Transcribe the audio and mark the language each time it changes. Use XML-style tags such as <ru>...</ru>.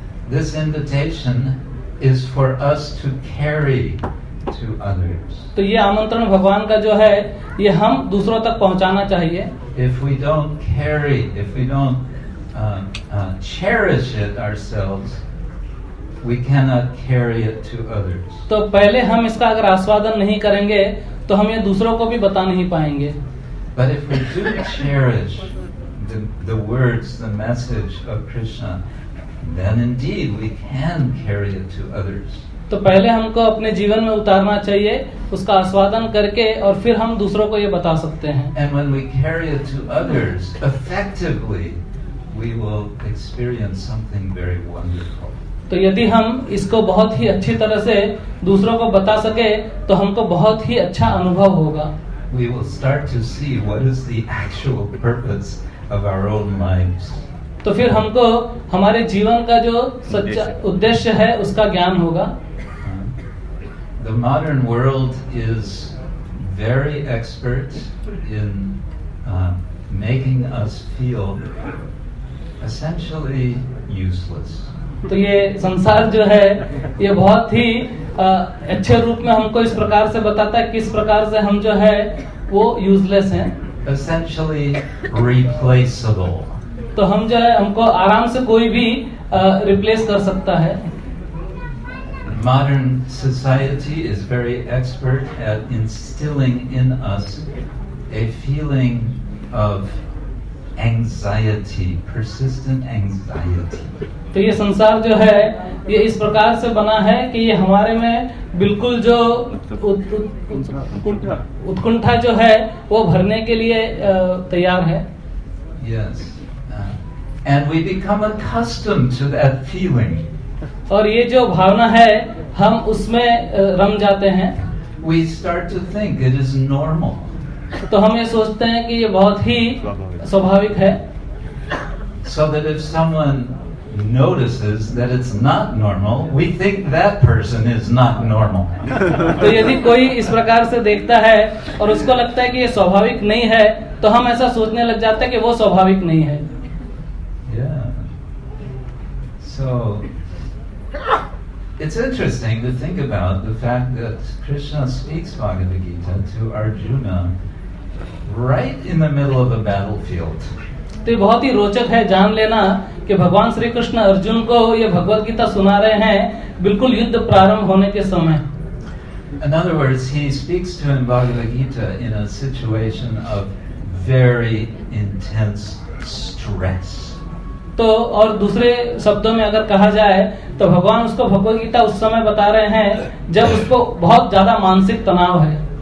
<en>This invitation is for us to carry to others.</en> <hi>तो ये आमंत्रण भगवान का जो है ये हम दूसरों तक पहुंचाना चाहिए.</hi> <en>If we don't carry, if we don't cherish it ourselves, we cannot carry it to others.</en> <hi>तो पहले हम इसका अगर आस्वादन नहीं करेंगे तो हम ये दूसरों को भी बता नहीं पाएंगे.</hi> <en>But if we do cherish the words, the message of Krishna, then indeed we can carry it to others.</en> <hi>तो पहले हमको अपने जीवन में उतारना चाहिए उसका आस्वादन करके और फिर हम दूसरों को ये बता सकते हैं.</hi> <en>And when we carry it to others effectively, we will experience something very wonderful.</en> <hi>तो यदि हम इसको बहुत ही अच्छी तरह से दूसरों को बता सके तो हमको बहुत ही अच्छा अनुभव होगा.</hi> <en>We will start to see what is the actual purpose of our own lives.</en> <hi>तो फिर हमको हमारे जीवन का जो सच्चा उद्देश्य है उसका ज्ञान होगा.</hi> <en>The modern world is very expert in making us feel essentially useless.</en> <hi>तो ये संसार जो है ये बहुत ही अच्छे रूप में हमको इस प्रकार से बताता है किस प्रकार से हम जो है वो यूजलेस हैं.</hi> <en>Essentially replaceable.</en> <hi>तो हम जो है हमको आराम से कोई भी रिप्लेस कर सकता है.</hi> <en>Modern society is very expert at instilling in us a feeling of anxiety, persistent anxiety.</en> <hi>तो ये संसार जो है ये इस प्रकार से बना है कि ये हमारे में बिल्कुल जो उत्कंठा जो है वो भरने के लिए तैयार है.</hi> <en>Yes. And we become accustomed to that feeling.</en> <hi>और ये जो भावना है हम उसमें रम जाते हैं.</hi> <en>We start to think it is normal.</en> <hi>तो हम ये सोचते हैं कि ये बहुत ही स्वाभाविक है.</hi> <en>So that if someone notices that it's not normal, we think that person is not normal.</en> <hi>तो यदि कोई इस प्रकार से देखता है और उसको लगता है कि ये स्वाभाविक नहीं है तो हम ऐसा सोचने लग जाते हैं कि वो स्वाभाविक नहीं है.</hi> <en>Yeah. So it's interesting to think about the fact that Krishna speaks Bhagavad Gita to Arjuna right in the middle of a battlefield.</en> <hi>तो बहुत ही रोचक है जान लेना कि भगवान श्री कृष्ण अर्जुन को ये भगवत गीता सुना रहे हैं बिल्कुल युद्ध प्रारंभ होने के समय.</hi> <en>In other words, he speaks to him Bhagavad Gita in a situation of very intense stress.</en> <hi>तो और दूसरे शब्दों में अगर कहा जाए तो भगवान उसको भगवत गीता उस समय बता रहे हैं जब उसको बहुत ज्यादा मानसिक तनाव है.</hi>